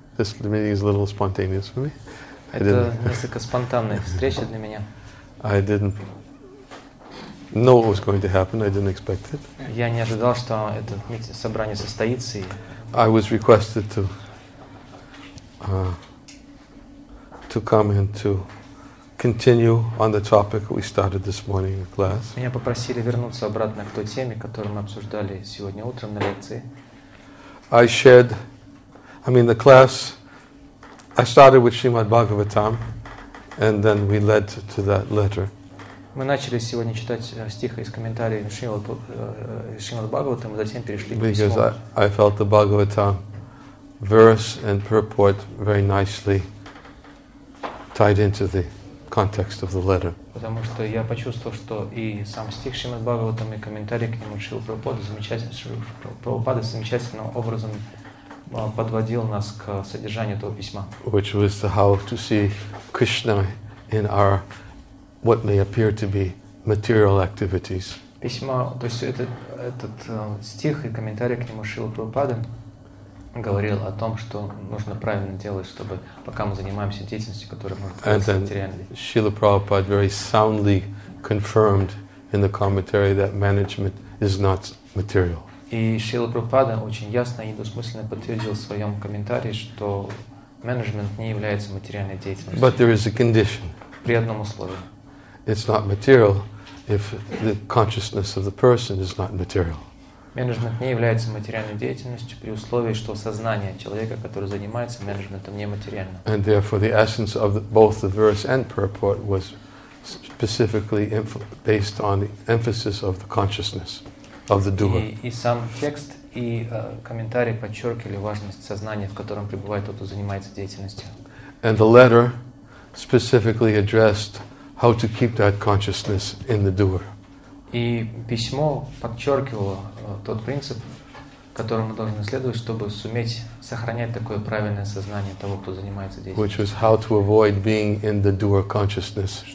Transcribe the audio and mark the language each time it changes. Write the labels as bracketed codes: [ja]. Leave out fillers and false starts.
[en] This meeting is a little spontaneous for me. I [ru] Это несколько спонтанная встреча для меня. [en] I didn't know what was going to happen. I didn't expect it. [ru] Я не ожидал, что это собрание состоится. И... [en] I was requested to to come and to continue on the topic we started this morning in class. [ru] Меня попросили вернуться обратно к той теме, которую мы обсуждали сегодня утром на лекции. [en] I shared. I mean, the class, I started with Srimad Bhagavatam, and then we led to that letter. [ru] Мы начали сегодня читать стих из комментариев Шримад Бхагаватам, и затем перешли к письму. [en] Because I felt the Bhagavatam verse and purport very nicely tied into the context of the letter. [ru] Потому что я почувствовал, что и сам стих Шримад Бхагаватам, и комментарий к нему Шрила Прабхупады замечательным образом подводил нас к содержанию этого письма. [en] Which was the how to see Krishna in our what may appear to be material activities. [ru] Письма, то есть этот стих и комментарий к нему Шрила Прабхупады говорил о том, что нужно правильно делать, чтобы пока мы занимаемся деятельностью, которая может быть материальной. [en] And then Srila Prabhupada very soundly confirmed in the commentary that management is not material. [ru] И Шрила Прабхупада очень ясно и недвусмысленно подтвердил в своем комментарии, что менеджмент не является материальной деятельностью. [en] But there is a condition. [ru] При одном условии. [en] It's not material if the consciousness of the person is not material. [ru] Менеджмент не является материальной деятельностью при условии, что сознание человека, который занимается менеджментом, не материально. [en] And therefore the essence of both the verse and purport was specifically based on the emphasis of the consciousness. Of the doer. [ru] И сам текст и комментарий подчеркивали важность сознания, в котором пребывает тот, кто занимается деятельностью. [en] And the letter specifically addressed how to keep that consciousness in the doer. [ru] И письмо подчеркивало тот принцип, которому мы должны следовать, чтобы суметь сохранять такое правильное сознание того, кто занимается деятельностью. [en] Which was how to avoid being in the doer consciousness.